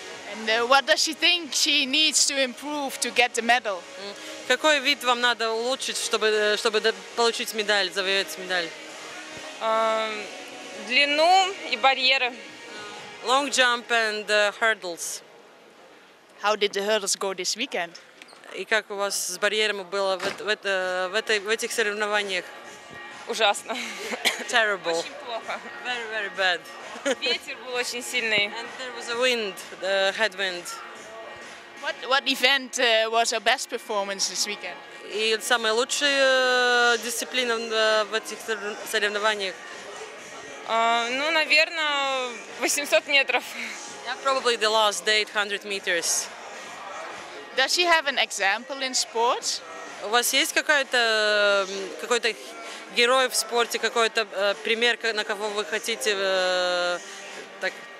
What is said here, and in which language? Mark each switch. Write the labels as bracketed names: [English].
[English] And what does she think she needs to improve to get the medal? [Russian] Какой вид вам надо улучшить, чтобы получить медаль, завоевать медаль? Длину и барьеры. [English] Long jump and hurdles. How did the hurdles go this weekend? [Russian] И как у вас с барьерами было в этих соревнованиях? Ужасно. [English] Terrible. [Russian] Очень плохо. [English] Very, very bad. [Russian] Ветер был очень сильный. [English] And there was a wind, the headwind. What event was your best performance this weekend? [Russian] И самая лучшая дисциплина в этих соревнованиях? Ну, наверное, 800 метров. [English] Yeah, probably the last day, 800 meters. Does she have an example in sports? [Russian] У вас есть какой-то герой в спорте, какой-то пример, на кого вы хотите так?